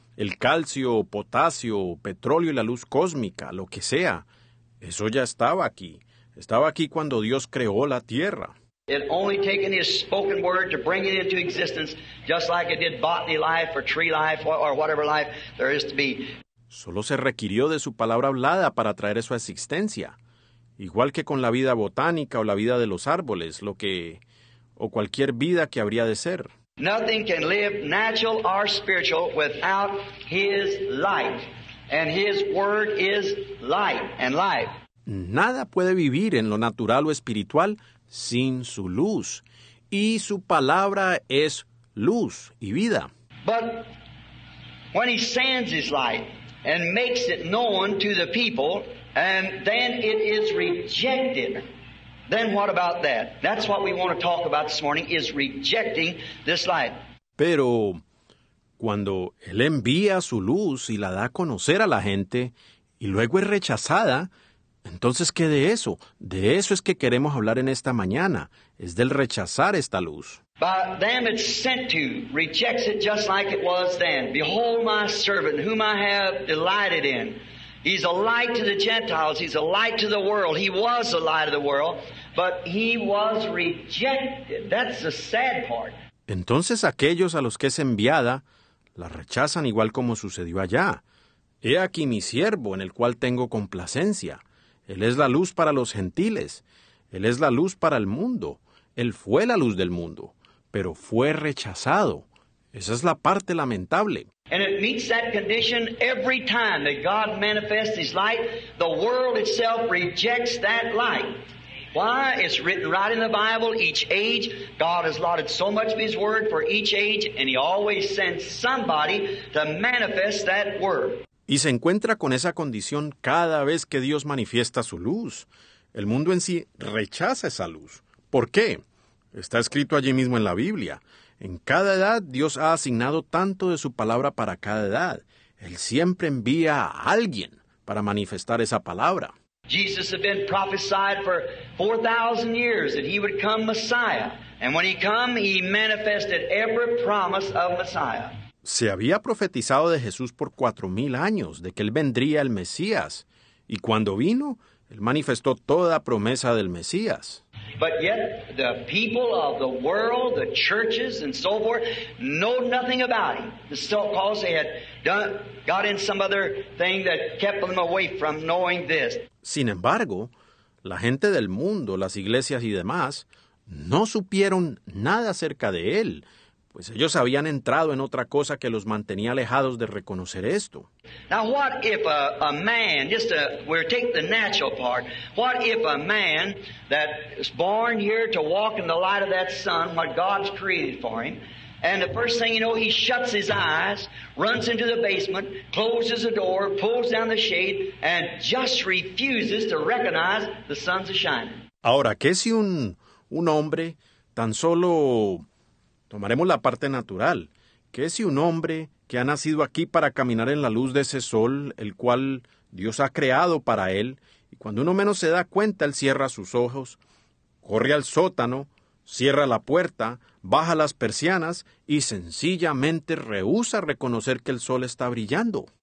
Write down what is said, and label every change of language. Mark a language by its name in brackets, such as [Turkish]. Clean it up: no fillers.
[Spanish] El calcio, potasio, petróleo y la luz cósmica, lo que sea, eso ya estaba aquí. Estaba aquí cuando Dios creó la tierra. [English] It only taken His spoken word to bring it into existence, just like it did botany life or tree life or whatever life there is to be. [Spanish] Solo se requirió de su palabra hablada para traer eso a existencia. Igual que con la vida botánica o la vida de los árboles, lo que, o cualquier vida que habría de ser. [English] Nothing can live natural or spiritual without His light. And His word is light and life. [Spanish] Nada puede vivir en lo natural o espiritual sin su luz. Y su palabra es luz y vida. [English] But when He sends His light and makes it known to the people, and then it is rejected. Then what about that? That's what we want to talk about this morning, is rejecting this light. [Spanish] Pero cuando Él envía su luz y la da a conocer a la gente, y luego es rechazada, Entonces, ¿qué de eso? De eso es que queremos hablar en esta mañana. Es del rechazar esta luz. [English] By them it's sent to, rejects it just like it was then. Behold my servant, whom I have delighted in. He's a light to the Gentiles. He's a light to the world. He was the light of the world, but he was rejected. That's the sad part. [Spanish] Entonces aquellos a los que es enviada la rechazan igual como sucedió allá. He aquí mi siervo, en el cual tengo complacencia. Él es la luz para los gentiles. Él es la luz para el mundo. Él fue la luz del mundo, pero fue rechazado. Esa es la parte lamentable. [English] And it meets that condition every time that God manifests His light. The world itself rejects that light. Why? It's written right in the Bible, each age. God has allotted so much of His word for each age, and He always sends somebody to manifest that word. [Spanish] Y se encuentra con esa condición cada vez que Dios manifiesta su luz. El mundo en sí rechaza esa luz. ¿Por qué? Está escrito allí mismo en la Biblia. En cada edad, Dios ha asignado tanto de su palabra para cada edad. Él siempre envía a alguien para manifestar esa palabra. [English] Jesus had been prophesied for 4,000 years that he would come Messiah. And when he came, he manifested every promise of Messiah. [Spanish] Se había profetizado de Jesús por 4,000 años, de que él vendría el Mesías. Y cuando vino, él manifestó toda promesa del Mesías. [English] But yet the people of the world, the churches and so forth, know nothing about him. The so-called they had done, got in some other thing that kept them away from knowing this. [Spanish] Sin embargo, la gente del mundo, las iglesias y demás, no supieron nada acerca de él. Pues ellos habían entrado en otra cosa que los mantenía alejados de reconocer esto. [English] Now what if a man, just a, we'll take the natural part, what if a man that is born here to walk in the light of that sun, what God's created for him, and the first thing you know, he shuts his eyes, runs into the basement, closes the door, pulls down the shade, and just refuses to recognize the sun's shining. [Spanish] Ahora, ¿qué si un hombre tan solo... Tomaremos la parte natural. ¿Qué si un hombre que ha nacido aquí para caminar en la luz de ese sol, el cual Dios ha creado para él, y cuando uno menos se da cuenta, él cierra sus ojos, corre al sótano, cierra la puerta, baja las persianas y sencillamente rehúsa reconocer que el sol está brillando?